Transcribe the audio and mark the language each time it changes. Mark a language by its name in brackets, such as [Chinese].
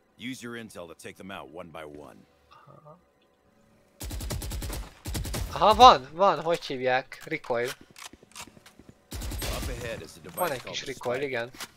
[English] Use your intel to take them out one by one. [Hungarian] Aha, van, hogy hívják? Recoil. [English] head is a device called the Spike. [Hungarian] Igen.